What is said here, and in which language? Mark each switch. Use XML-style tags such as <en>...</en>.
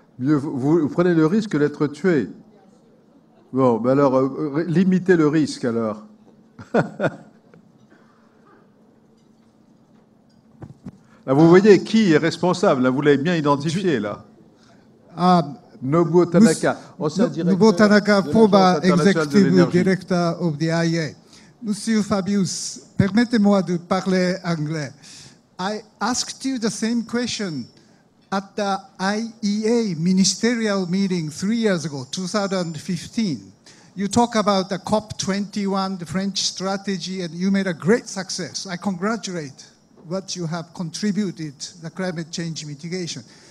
<fr>Vous prenez le risque d'être tué. Bon, ben alors, limitez le risque, alors. Là, vous voyez qui est responsable, là, vous l'avez bien identifié, là. Nobuo Tanaka, ancien directeur...</fr> <en>Nobuo Tanaka, former executive director of the IEA.</en> <fr>Monsieur Fabius, permettez-moi de parler anglais.</fr> <en>I asked you the same question at the IEA ministerial meeting 3 years ago, 2015. You talk about the COP21, the French strategy, and you made a great success. I congratulate what you have contributed to the climate change mitigation.</en>